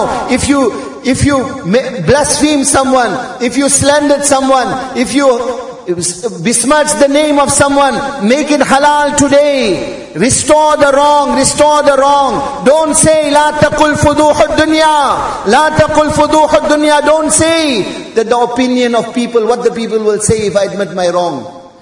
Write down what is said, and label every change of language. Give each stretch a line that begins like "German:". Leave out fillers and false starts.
English: If you blaspheme someone, if you slandered someone, if you besmirch the name of someone, make it halal today. Restore the wrong. Don't say,
Arabic: لا تقل فضوح الدنيا. لا تقل فضوح الدنيا.
English: Don't say that the opinion of people, what the people will say if I admit my wrong.